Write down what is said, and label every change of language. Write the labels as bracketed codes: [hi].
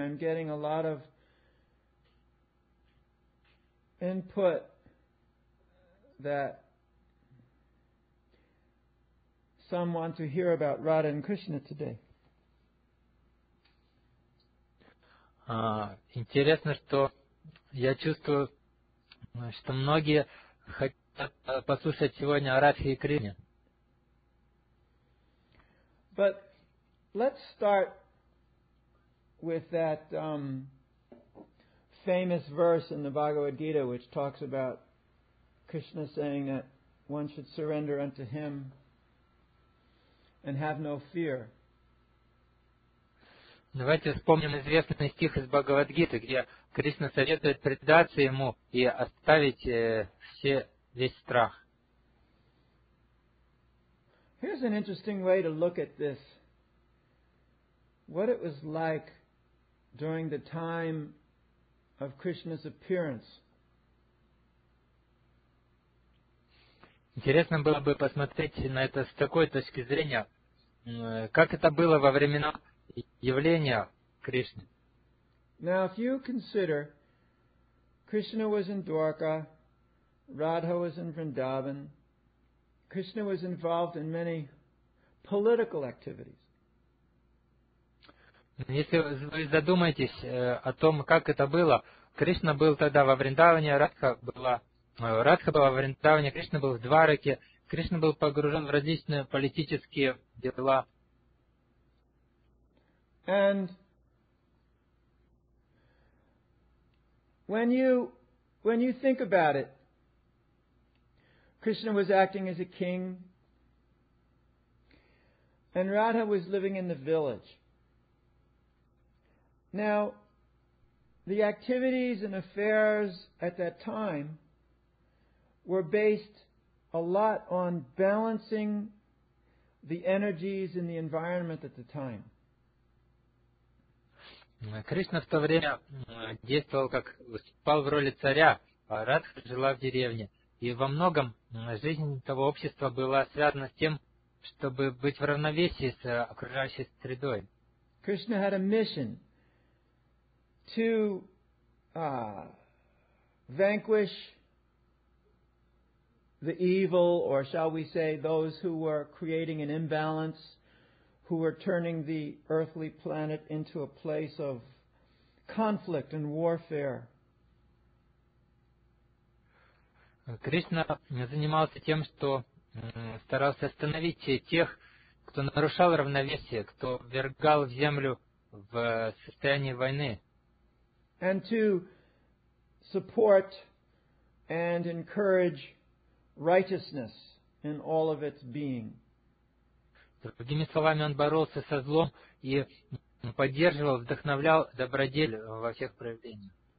[en] I'm getting a lot of input that some want to hear about Radha and Krishna today. [ru] Интересно, что я чувствую, что многие хотят послушать сегодня о Радхе и Кришне. [en] But let's start with that famous verse in the Bhagavad Gita, which talks about Krishna saying that one should surrender unto him and have no fear. [ru] Давайте вспомним известный стих из Бхагавад-гиты, где Кришна советует предаться ему и оставить весь страх. [en] Here's an interesting way to look at this. What it was like during the time of Krishna's appearance. [ru] Интересно было бы посмотреть на это с такой точки зрения, как это было во времена явления Кришны. [en] Now, if you consider, Krishna was in Dwarka, Radha was in Vrindavan, Krishna was involved in many political activities. [ru] Если вы задумаетесь о том, как это было, Кришна был тогда во Вриндаване, Радха была во Вриндаване, Кришна был в Двараке, Кришна был погружен в различные политические дела. [en] And when you think about it, Krishna was acting as a king, and Radha was living in the village. Now, the activities and affairs at that time were based a lot on balancing the energies in the environment at the time. [ru] Кришна в то время действовал как спал в роли царя, а Радха жила в деревне. И во многом жизнь того общества была связана с тем, чтобы быть в равновесии с окружающей средой. [en] Krishna had a mission to vanquish the evil, or shall we say, those who were creating an imbalance, who were turning the earthly planet into a place of conflict and warfare. [ru] Кришна занимался тем, что старался остановить тех, кто нарушал равновесие, кто ввергал в землю в состояние войны. [en] And to support and encourage righteousness in all of its being. [ru] Другими словами, он боролся со злом и поддерживал, вдохновлял добродетель во всех проявлениях.